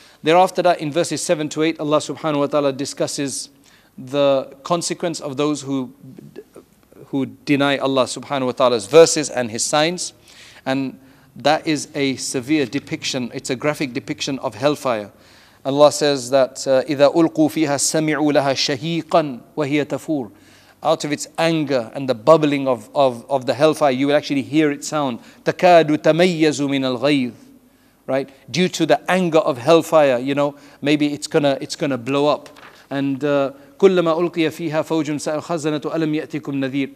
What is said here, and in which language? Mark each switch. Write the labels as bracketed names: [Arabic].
[English] Thereafter that, in verses 7 to 8, Allah subhanahu wa ta'ala discusses the consequence of those who deny Allah subhanahu wa ta'ala's verses and His signs. And that is a severe depiction, it's a graphic depiction of hellfire. Allah says that [Arabic] إِذَا أُلْقُوا فِيهَا سَمِعُوا لَهَا شَهِيقًا وَهِيَ تَفُورُ. [English] Out of its anger and the bubbling of the hellfire, you will actually hear its sound. [Arabic] تَكَادُ تَمَيَّزُ مِنَ الْغَيْظِ. Right? [English] Due to the anger of hellfire, you know, maybe it's gonna blow up. [Arabic] And كُلَّمَا أُلْقِيَ فِيهَا فَوْجٌ سَأَلْ خَزَنَةُ أَلَمْ يَأْتِكُمْ نَذِيرٌ.